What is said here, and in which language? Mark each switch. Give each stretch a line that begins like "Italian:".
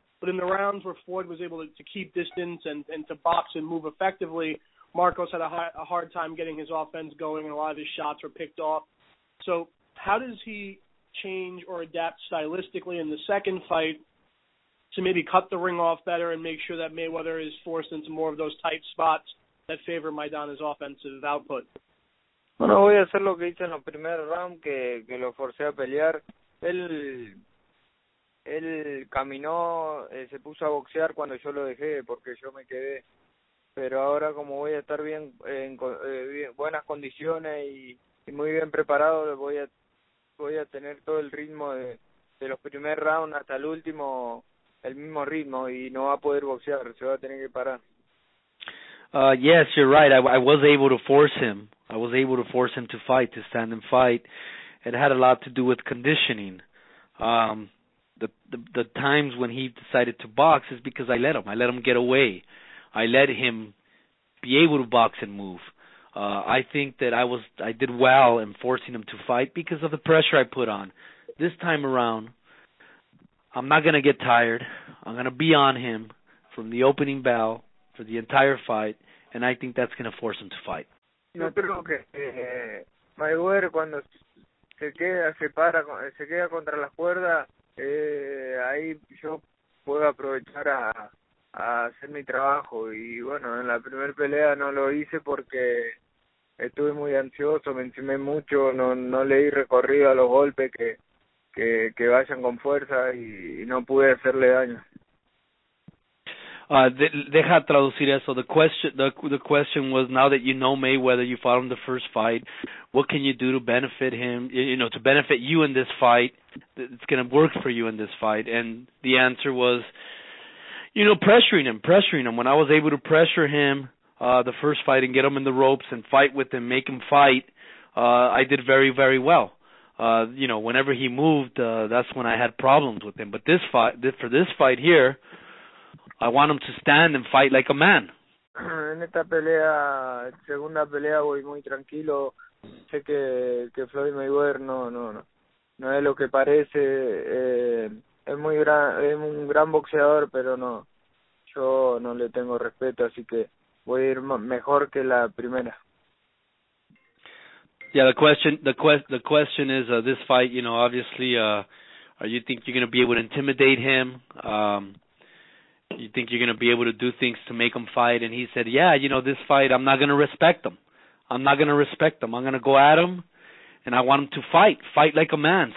English: But in the rounds where Floyd was able to keep distance and to box and move effectively, Marcos had a hard time getting his offense going, and a lot of his shots were picked off. So how does he change or adapt stylistically in the second fight to maybe cut the ring off better and make sure that Mayweather is forced into more of those tight spots that favor Maidana's offensive output?
Spanish: Bueno, voy a hacer lo que hice en el primer round, que lo forcé a pelear. Él caminó, se puso a boxear cuando yo lo dejé, porque yo me quedé. Pero ahora, como voy a estar bien, en buenas condiciones y muy bien preparado, voy a tener todo el ritmo de los primeros rounds hasta el último, el mismo ritmo, y no va a poder boxear, se va a tener que parar.
English: Yes, you're right. I was able to force him. I was able to force him to fight, to stand and fight. It had a lot to do with conditioning. The times when he decided to box is because I let him. I let him get away. I let him be able to box and move. I think that I did well in forcing him to fight because of the pressure I put on. This time around, I'm not going to get tired. I'm going to be on him from the opening bell for the entire fight, and I think that's going to force him to fight.
Spanish: Yo creo que Mayweather cuando se queda contra las cuerdas, ahí yo puedo aprovechar a hacer mi trabajo. Y bueno, en la primera pelea no lo hice porque estuve muy ansioso, me encimé mucho, no le di recorrido a los golpes que vayan con fuerza y no pude hacerle daño. Deja traducir eso.
English: The question was, now that you know Mayweather, you fought him the first fight, what can you do to benefit him, you know, to benefit you in this fight, it's going to work for you in this fight? And the answer was, you know, pressuring him. When I was able to pressure him the first fight and get him in the ropes and fight with him, make him fight, I did very, very well. You know, whenever he moved, that's when I had problems with him. But for this fight here, I want him to stand and fight like a man.
Spanish: En esta pelea, segunda pelea, voy muy tranquilo. Sé que Floyd Mayweather no es lo que parece. Es un gran boxeador, pero no. Yo no le tengo respeto, así que voy a ir mejor que la primera.
English: Yeah, the question is, this fight, you know, obviously, are you think you're going to be able to intimidate him? You think you're going to be able to do things to make him fight? And he said, yeah, you know, this fight, I'm not going to respect him. I'm going to go at him, and I want him to fight. Fight like a man.